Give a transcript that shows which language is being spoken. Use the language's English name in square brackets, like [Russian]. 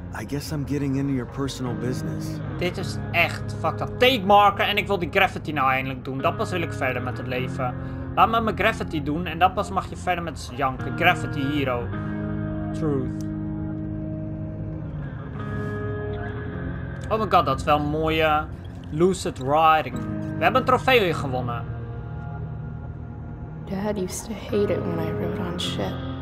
[English] I guess I'm getting into your personal business. [Dutch] Dit is echt fucked up. [English] Take marker [Dutch] en ik wil die graffiti nou eindelijk doen. Dan pas wil ik verder met het leven. Laat me mijn graffiti doen en dan pas mag je verder met janken. [English] Graffiti hero. Truth. Oh my god, [Dutch] dat is wel een mooie lucid riding. We hebben een trofee weer gewonnen. [English] Dad used to hate it when I wrote on shit.